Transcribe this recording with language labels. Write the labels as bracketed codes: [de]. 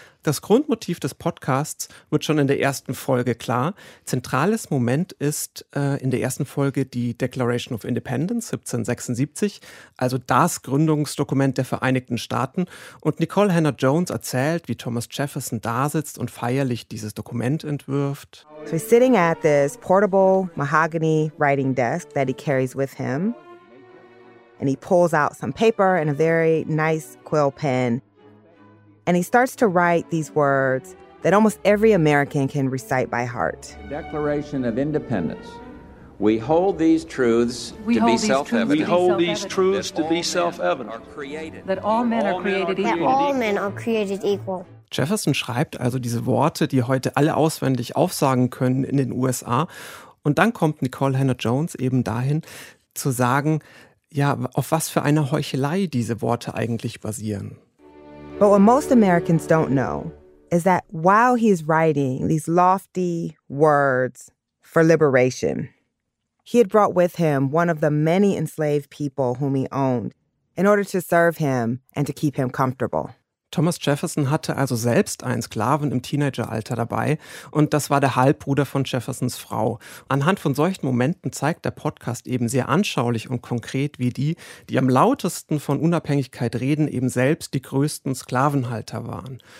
[de] Das Grundmotiv des Podcasts wird schon in der ersten Folge klar. Zentrales Moment ist in der ersten Folge die Declaration of Independence 1776, also das Gründungsdokument der Vereinigten Staaten. Und Nicole Hannah-Jones erzählt, wie Thomas Jefferson da sitzt und feierlich dieses Dokument entwirft. [en] So he's sitting at this portable mahogany writing desk that he carries with him. And he pulls out some paper and a very nice quill pen. And he starts to write these words that almost every American can recite by heart. Declaration of Independence. We hold these truths we to be self-evident. We hold these truths to be self-evident. That all men are created equal. That all men are created equal. [de] Jefferson schreibt also diese Worte, die heute alle auswendig aufsagen können in den USA. Und dann kommt Nicole Hannah-Jones eben dahin zu sagen, ja, auf was für eine Heuchelei diese Worte eigentlich basieren. [en] But what most Americans don't know is that while he is writing these lofty words for liberation, he had brought with him one of the many enslaved people whom he owned in order to serve him and to keep him comfortable. [de] Thomas Jefferson hatte also selbst einen Sklaven im Teenageralter dabei und das war der Halbbruder von Jeffersons Frau. Anhand von solchen Momenten zeigt der Podcast eben sehr anschaulich und konkret, wie die, die am lautesten von Unabhängigkeit reden, eben selbst die größten Sklavenhalter waren.